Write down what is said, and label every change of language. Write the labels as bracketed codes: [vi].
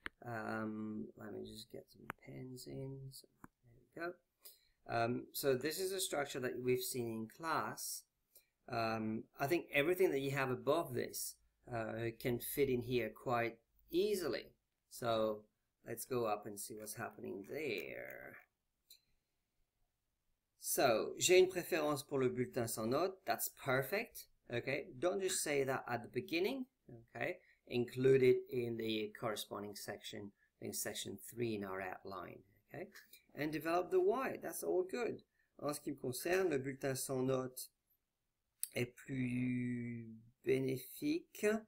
[en] Let me just get some pens in. So there we go. So this is a structure that we've seen in class. I think everything that you have above this can fit in here quite easily. So let's go up and see what's happening there. [fr] So, j'ai une préférence pour le bulletin sans note. [en] That's perfect. Okay, don't just say that at the beginning. Okay, include it in the corresponding section, in section 3 in our outline. Okay, and develop the why. That's all good. [fr] En ce qui me concerne, le bulletin sans note est plus bénéfique.